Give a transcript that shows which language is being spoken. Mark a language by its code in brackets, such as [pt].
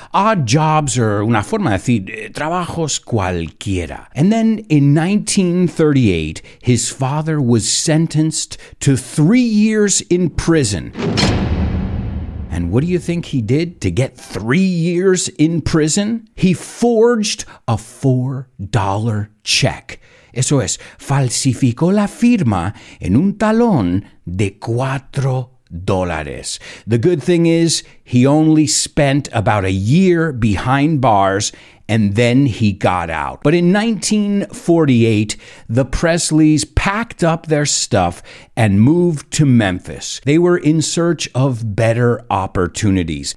[en] Odd jobs are [es] una forma de decir trabajos cualquiera. [en] And then in 1938, his father was sentenced to 3 years in prison. And what do you think he did to get 3 years in prison? He forged a $4 check. [es] Eso es, falsificó la firma en un talón de $4. [en] The good thing is, he only spent about a year behind bars, and then he got out. But in 1948, the Presleys packed up their stuff and moved to Memphis. They were in search of better opportunities.